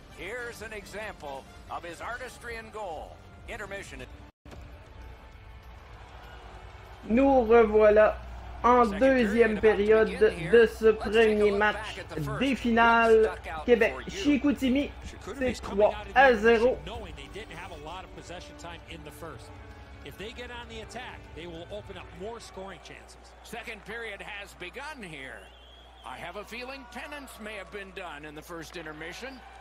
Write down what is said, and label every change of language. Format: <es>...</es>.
<en>Here's an example of his artistry and goal. Intermission.</en> <fr>Nous revoilà en deuxième période de ce premier match des finales Québec-Chicoutimi. C'est 3 à 0.</fr> <en>Knowing they didn't have a lot of possession time in the first. If they get on the attack, they will open up more scoring chances. Second period has begun here. I have a feeling penance may have been done in the first intermission.</en>